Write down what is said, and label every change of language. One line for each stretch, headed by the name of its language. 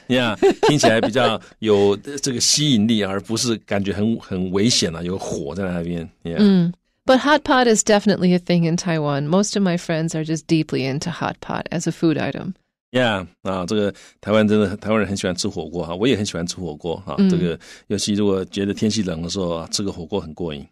Chinese: Yeah, 听起来比较有这个吸引力，而不是感觉很危险啊，有火在那边。
English: Yeah. But hot pot is definitely a thing in Taiwan. Most of my friends are just deeply into hot pot as a food item.
Chinese: Yeah, 这个台湾真的台湾人很喜欢吃火锅哈，我也很喜欢吃火锅哈。这个尤其如果觉得天气冷的时候，吃个火锅很过瘾。